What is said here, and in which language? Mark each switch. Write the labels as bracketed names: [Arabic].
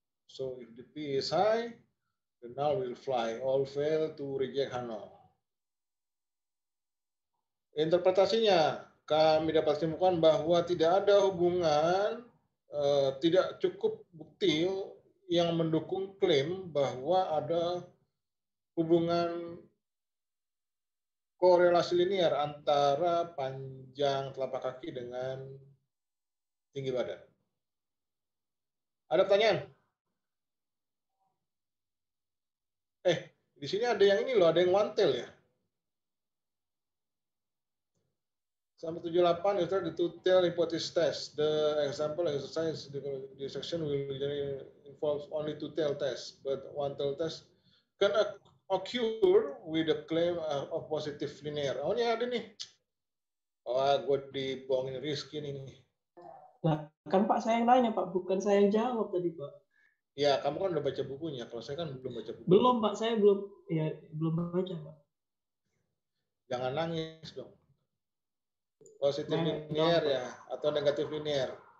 [English] So if the P is high, the null will fly. All fail to reject H0. [Indonesian] Interpretasinya, kami dapat simpulkan bahwa tidak ada hubungan, tidak cukup bukti yang mendukung klaim bahwa ada hubungan korelasi linear antara panjang telapak kaki dengan tinggi badan. Ada pertanyaan? Eh, di sini ada yang ini loh, ada yang one tail ya. Sampai [English] 78, you start the two-tail hypothesis test. The example exercise, the section will involve only two-tail test, but one-tail test can occur with the claim of positive linear. [Indonesian] Oh, ini ada nih. Oh, gue dibohongin Rizky nih. Nah, kan Pak saya yang nanya, Pak. Bukan saya yang jawab tadi, Pak. Ya, kamu kan udah baca bukunya. Kalau saya kan belum baca buku. Belum, Pak. Saya belum, ya, belum baca, Pak. Jangan nangis dong. Positif linear ya atau negatif linear.